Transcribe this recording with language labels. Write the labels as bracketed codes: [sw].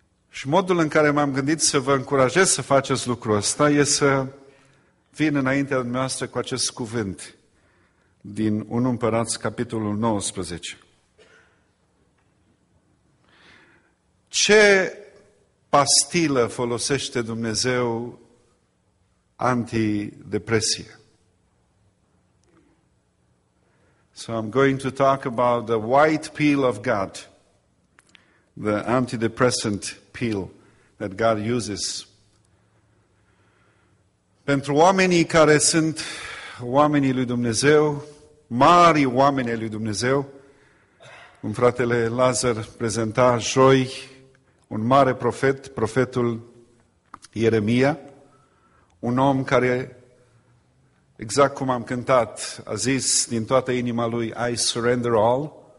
[ro] Și modul în care m-am gândit să vă încurajez să faceți lucrul ăsta e să vin înaintea dumneavoastră cu acest cuvânt din 1 Împărați, capitolul 19. Ce pastilă folosește Dumnezeu antidepresie? [en] So I'm going to talk about the white pill of God, the antidepressant pill that God uses. [ro] Pentru oamenii care sunt oamenii lui Dumnezeu, mari oameni lui Dumnezeu, cum fratele Lazar prezenta joi, un mare profet, profetul Ieremia, un om care, exact cum am cântat, a zis din toată inima lui, [en] I surrender all,